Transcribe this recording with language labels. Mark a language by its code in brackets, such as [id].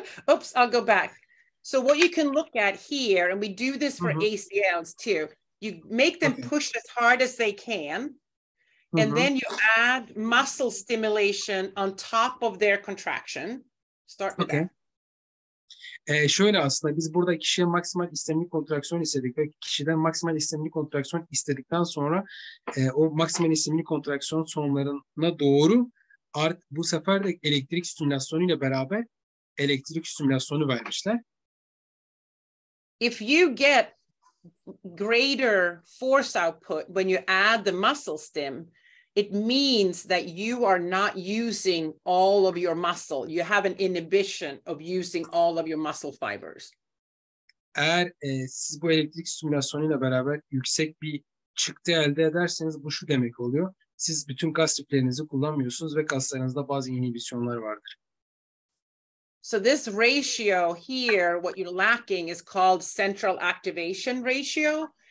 [en] Oops, I'll go back. So what you can look at here, and we do this for ACLs too, you make them push as hard as they can, and then you add muscle stimulation on top of their contraction. Start with that. [tr] Şöyle aslında biz burada kişiye maksimal istemli kontraksiyon istedik ve kişiden maksimal istemli kontraksiyon istedikten sonra o maksimal istemli kontraksiyon sonlarına doğru bu sefer de elektrik stimülasyonuyla beraber elektrik stimülasyonu vermişler. [en] If you get greater force output when you add the muscle stim, it means that you are not using all of your muscle. You have an inhibition of using all of your muscle fibers. [tr] Eğer siz bu elektrik stimülasyonuyla beraber yüksek bir çıktı elde ederseniz bu şu demek oluyor. Siz bütün kas tiplerinizi kullanmıyorsunuz ve kaslarınızda bazı inhibisyonlar vardır. [en] So this ratio here, what you're lacking is called central activation ratio.